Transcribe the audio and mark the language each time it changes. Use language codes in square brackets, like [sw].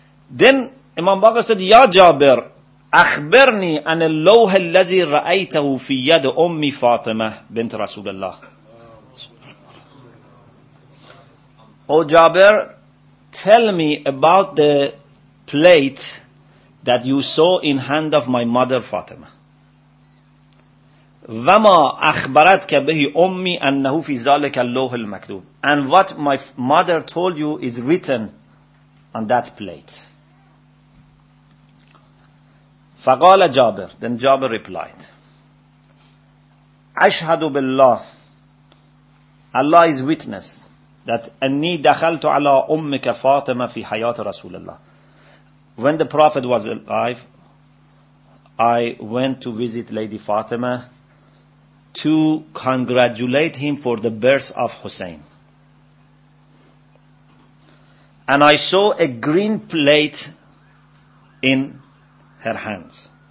[en] Then Imam Baqir said, [ar] "Ya Jabir, أخبرني عن اللوح الذي رأيته في يد أمي فاطمة بنت رسول الله." [en] "Oh Jabir, tell me about the plate that you saw in hand of my mother Fatima." [ar] "وما أخبرتك به أمي أنه في ذلك اللوح المكتوب." [en] "And what my mother told you is written on that plate." [ar] فقال جابر, [en] then Jabir replied, [ar] "أشهد بالله, [en] Allah is witness, that [ar] أني دخلت على أمك فاطمة في حياة رسول الله." [en] When the Prophet was alive, I went to visit Lady Fatima to congratulate him for the birth of Hussein. And I saw a green plate in her hands.